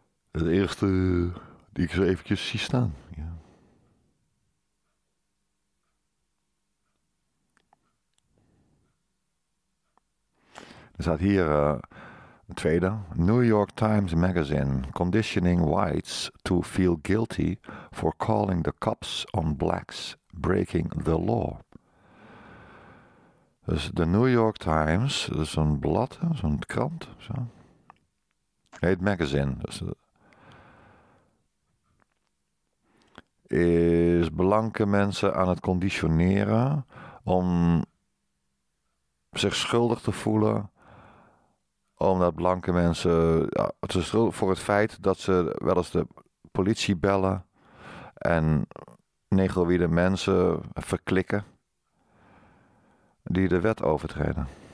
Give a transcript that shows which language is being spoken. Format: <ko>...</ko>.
<nl>Het eerste die ik zo eventjes zie staan. Ja. Er staat hier een tweede.</nl> <en>New York Times Magazine. Conditioning whites to feel guilty for calling the cops on blacks breaking the law.</en> <nl>Dus de New York Times. Dat is een blad, zo'n krant. Zo. Heet magazine. Dus is blanke mensen aan het conditioneren om zich schuldig te voelen omdat blanke mensen, ja, voor het feit dat ze wel eens de politie bellen en negroïde mensen verklikken die de wet overtreden.</nl>